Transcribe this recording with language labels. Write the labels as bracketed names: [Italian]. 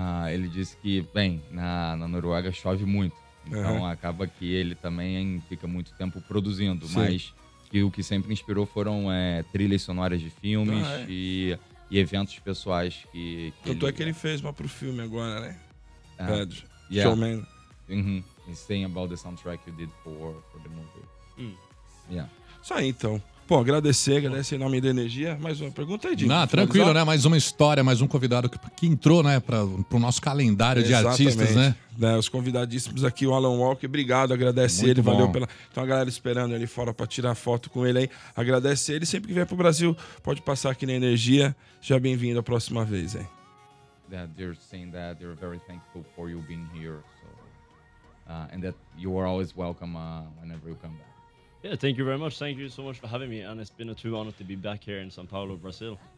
[Portuguese] Ele disse que, bem, na Noruega chove muito. Então acaba que ele também fica muito tempo produzindo. Sim. Mas que o que sempre inspirou foram trilhas sonoras de filmes e eventos pessoais. Tanto é que ele fez uma pro filme agora, né? Showman. Uh-huh. [English] He's saying about the soundtrack you did for the movie. Yeah. [Portuguese] Isso aí, então. Bom, agradecer em nome da Energia. Mais uma pergunta aí, Dinho. Não, tranquilo, né? Mais uma história, mais um convidado que entrou, né, para o nosso calendário de artistas, né? Os convidadíssimos aqui, o Alan Walker. Obrigado, agradece muito ele. Bom. Valeu pela... Então a galera esperando ali fora para tirar foto com ele aí. Agradece ele. Sempre que vier para o Brasil, pode passar aqui na Energia. Seja bem-vindo a próxima vez, hein? [English] They're saying that they're very thankful for you being here. So, and that you are always welcome whenever you come back. Yeah, thank you very much. Thank you so much for having me. And it's been a true honor to be back here in São Paulo, Brazil.